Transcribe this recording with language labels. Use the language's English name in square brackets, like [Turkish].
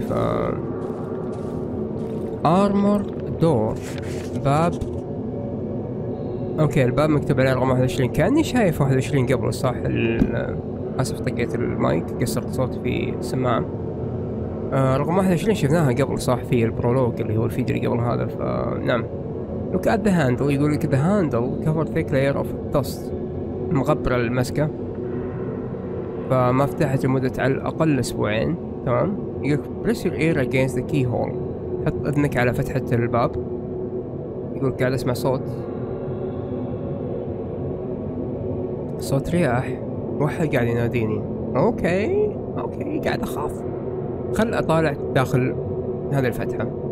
[Arabic] ف ارمر دور باب. اوكي الباب مكتوب عليه رقم 21 كاني شايف 21 قبل صح. اسف طقيت المايك كسرت صوت في السماعة. رقم 21 شفناها قبل صح في البرولوج اللي هو الفيديو اللي قبل هذا. فنعم [English] look at the handle. [Arabic] يقول لك [English] the handle covered thick layer of dust. [Arabic] مغبرة المسكة فما فتحت لمدة على الأقل أسبوعين. تمام يقول [English] press your ear against the keyhole. [Arabic] حط أذنك على فتحة الباب. يقول قاعد أسمع صوت صوت رياح. واحد قاعد يناديني. أوكي أوكي قاعد أخاف. خل أطالع داخل هذه الفتحة.